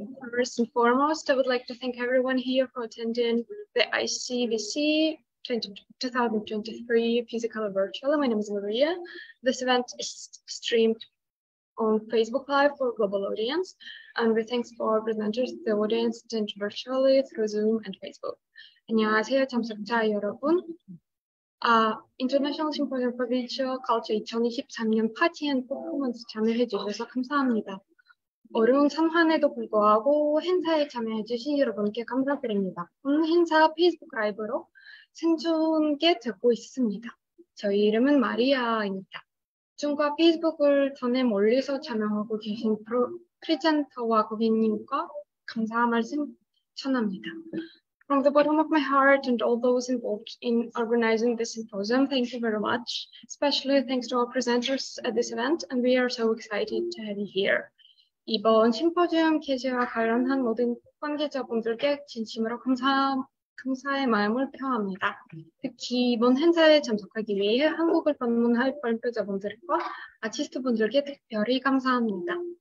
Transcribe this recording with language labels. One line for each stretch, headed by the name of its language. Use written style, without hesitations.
English: First and foremost, I would like to thank everyone here for attending the ISVC 2023 physical and virtual. My name is Maria. This event is streamed on Facebook Live for global audience, and we thanks for our presenters, the audience attend virtually through Zoom and Facebook.
Korean: 안녕하세요, 참석자 여러분. International Symposium for Visual Culture 2023년 파티 앤 퍼포먼스 참여해 주셔서 감사합니다. 어려운 상황에도 불구하고 행사에 참여해 주신 여러분께 감사드립니다. 오늘 행사 페이스북 라이브로 생중계 듣고 있습니다. 저희 이름은 마리아입니다. 중과 페이스북을 통해 멀리서 참여하고 계신 프리젠터와 고객님과 감사의 말씀 전합니다.
English: From the bottom of my heart and all those involved in organizing this symposium, thank you very much. Especially thanks to our presenters at this event, and we are so excited to have you here.
Korean: 이번 심포지엄 개최와 관련한 모든 관계자분들께 진심으로 감사의 마음을 표합니다. 특히 이번 행사에 참석하기 위해 한국을 방문할 발표자분들과 아티스트분들께 특별히 감사합니다.